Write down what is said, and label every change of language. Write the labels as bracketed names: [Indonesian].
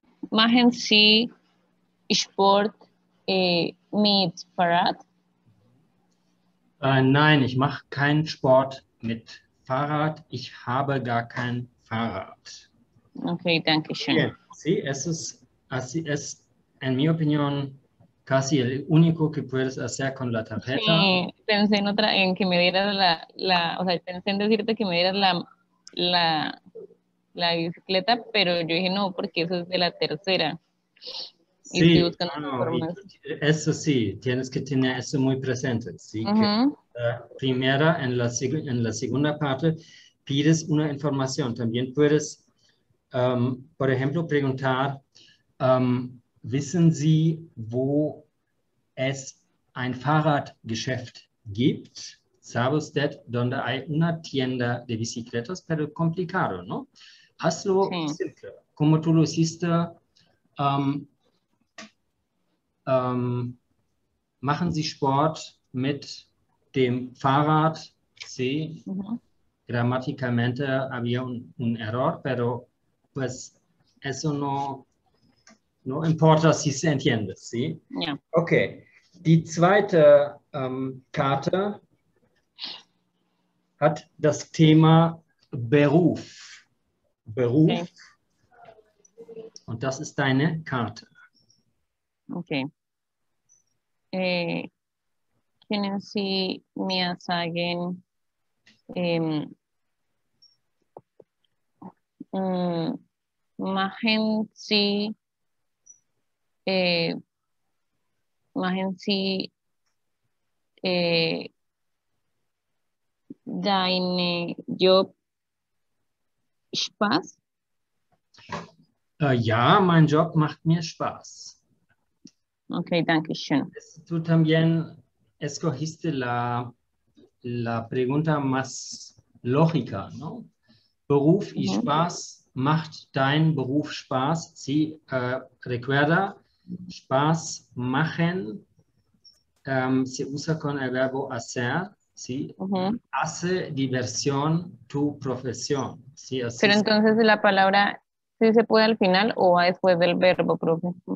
[German] Machen Sie Sport mit Fahrrad? Nein, ich mache keinen Sport mit Fahrrad. Ich habe gar kein Fahrrad. Okay, danke schön. Okay. [Spanish] Sí, es ist, en mi opinión, casi el único que puedes hacer con la tarjeta. Sí, pensé en otra, en que me dieras pensé en decirte que me dieras la bicicleta, pero yo dije no, porque eso es de la tercera. Sí, y eso sí, tienes que tener eso muy presente. Sí, uh-huh. Primera, en la segunda parte, pides una información. También puedes, por ejemplo, preguntar, [German] ¿wissen Sie, wo es ein Fahrradgeschäft gibt? [Spanish] ¿Sabe usted donde hay una tienda de bicicletas? Pero complicado, ¿no? Hazlo simple. Como tú lo hiciste, [German] machen Sie Sport mit dem Fahrrad. [Spanish] Sí, gramaticalmente había un error, pero pues eso no importa si se entiende. Sí. Yeah. Okay. [German] Die zweite Karte hat das Thema Beruf. Beruf. Okay. Und das ist deine Karte. Okay. Können Sie mir sagen, machen Sie deine Job Spaß? Ja, mein Job macht mir Spaß. Okay, danke schön. [Spanish] Tú también escogiste la pregunta más lógica, ¿no? [German] Beruf y Spaß, macht dein Beruf Spaß? [Spanish] Sí, recuerda, [German] Spaß machen, [Spanish] se usa con el verbo hacer, sí. Uh-huh. Hace diversión tu profesión. Sí, así. Pero entonces la palabra, ¿sí se puede al final o después del verbo, profe?